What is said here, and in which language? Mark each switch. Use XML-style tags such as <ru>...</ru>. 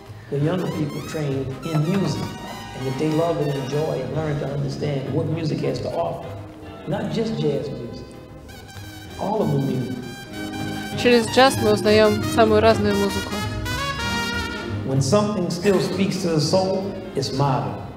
<en>the younger people train in music, and that they love and enjoy and learn to understand what music has to offer. Not just jazz music, all of the music.</en> <ru>Через джаз мы узнаем самую разную музыку.</ru> <en>When something still speaks to the soul, it's modern.</en>